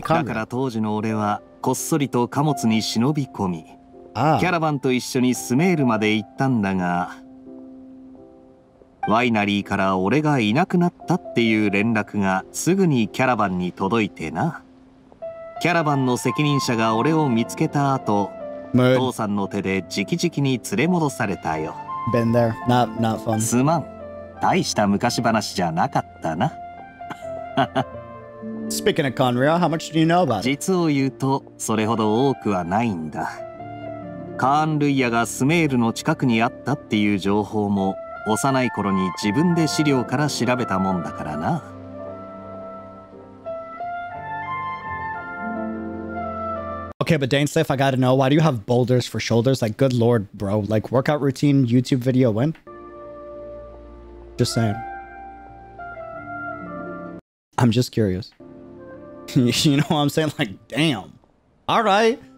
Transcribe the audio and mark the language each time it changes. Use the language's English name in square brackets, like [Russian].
[Japanese] だから当時の俺はこっそりと貨物に忍び込み、キャラバンと一緒にスメールまで行ったんだが、ワイナリーから俺がいなくなったっていう連絡がすぐにキャラバンに届いてな。キャラバンの責任者が俺を見つけた後、父さんの手で直々に連れ戻されたよ。 [English] Been there. Not fun. [Japanese] すまん。大した昔話じゃなかったな。 [English] Speaking of Conria, how much do you know about it? [Japanese] 実を言うと、それほど多くはないんだ。カーンルイヤがスメールの近くにあったっていう情報も、幼い頃に自分で資料から調べたもんだからな。 [English] Okay, but Dainsleif, I gotta know, why do you have boulders for shoulders? Like, good lord, bro. Like, workout routine, YouTube video, when? Just saying. I'm just curious. You know what I'm saying? Like, damn. All right.